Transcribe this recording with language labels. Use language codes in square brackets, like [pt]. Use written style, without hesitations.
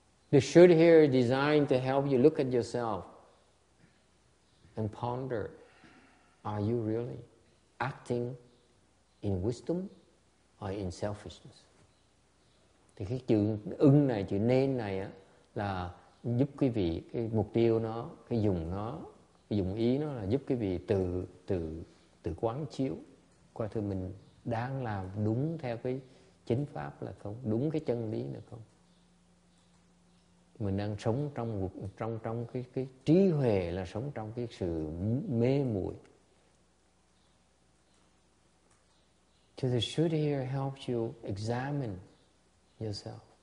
[en] The should here is designed to help you look at yourself and ponder, are you really acting in wisdom or in selfishness? [vi] Thì cái chữ ưng này, chữ nên này á, là giúp quý vị, cái mục tiêu nó, cái dụng ý nó là giúp quý vị tự quán chiếu qua thứ mình đang làm đúng theo cái chính pháp là không, đúng cái chân lý là không. Mình đang sống trong cái trí huệ là sống trong cái sự mê muội. [en] So the should here helps you examine yourself.